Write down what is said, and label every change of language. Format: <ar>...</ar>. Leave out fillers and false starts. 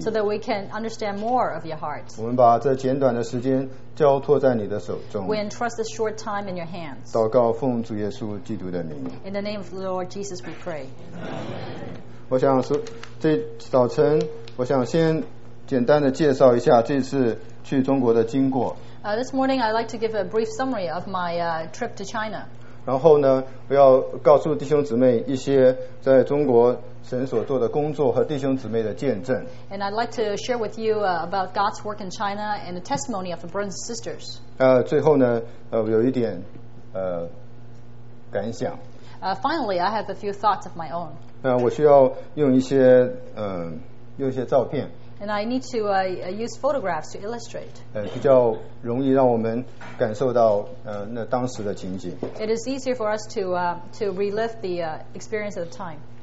<en>So that we can understand more of your heart.</en> <zh>我们把这简短的时间交托在你的手中。</zh> <en>We entrust this short time in your hands.</en> <zh>祷告奉主耶稣基督的名。</zh> <en>In the name of the Lord Jesus, we pray.</en> <zh>我想说，这早晨，我想先简单的介绍一下这次去中国的经过。</zh> <en>This morning, I'd like to give a brief summary of my trip to China.</en> <zh>然后呢，我要告诉弟兄姊妹一些在中国神所做的工作和弟兄姊妹的见证。</zh> <en>And I'd like to share with you about God's work in China and the testimony of the Burns sisters.</en> <zh>最后呢，有一点感想。</zh> <en>Finally, I have a few thoughts of my own.</en> <zh>我需要用一些用一些照片。</zh> <en>And I need to use photographs to illustrate.</en> <zh>比较容易让我们感受到那当时的情景。</zh> <en>It is easier for us to relive the experience of the time.</en>